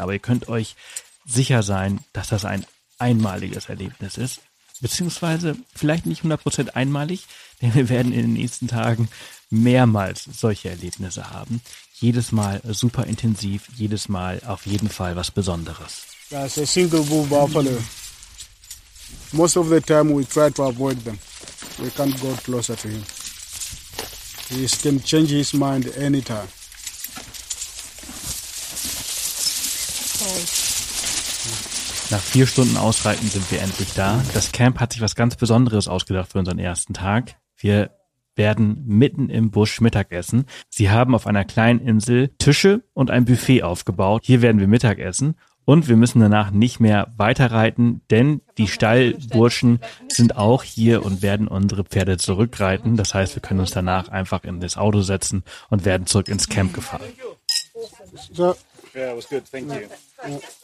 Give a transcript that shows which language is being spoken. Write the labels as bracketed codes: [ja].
[de] Aber ihr könnt euch sicher sein, dass das ein einmaliges Erlebnis ist. Beziehungsweise vielleicht nicht 100% einmalig, denn wir werden in den nächsten Tagen mehrmals solche Erlebnisse haben. Jedes Mal super intensiv, jedes Mal auf jeden Fall was Besonderes. [en] That's a single bull buffalo. Most of the time we try to avoid them. We can't go closer to him. He can change his mind anytime. Sorry. [de] Nach 4 Stunden Ausreiten sind wir endlich da. Das Camp hat sich was ganz Besonderes ausgedacht für unseren ersten Tag. Wir werden mitten im Busch Mittagessen. Sie haben auf einer kleinen Insel Tische und ein Buffet aufgebaut. Hier werden wir Mittagessen. Und wir müssen danach nicht mehr weiterreiten, denn die Stallburschen sind auch hier und werden unsere Pferde zurückreiten. Das heißt, wir können uns danach einfach in das Auto setzen und werden zurück ins Camp gefahren. Ja, [en] yeah, it was good, thank you.